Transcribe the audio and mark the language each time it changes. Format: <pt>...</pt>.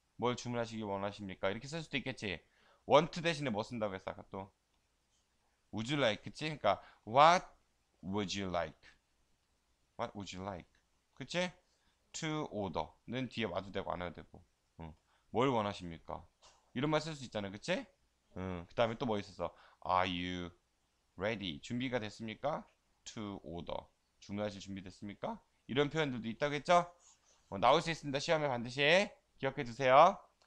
<ko>뭘 주문하시기 원하십니까? 이렇게 쓸 수도 있겠지. Want 대신에 뭐 쓴다고 했어? 아까 또</ko> <en>Would you like?</en> <ko>그치?</ko> <en>그러니까 What would you like? What would you like? 그치?</en> <ko>To order는 뒤에 와도 되고 안 와도 되고 뭘 원하십니까? 이런 말쓸수 있잖아요. 그치? 그 다음에 또뭐 있었어?</ko> <en>Are you ready?</en> <ko>준비가 됐습니까?</ko> <en>To order.</en> <ko>주문하실 준비 됐습니까? 이런 표현들도 있다겠죠? 나올 수 있습니다. 시험에 반드시. 기억해 두세요.</ko>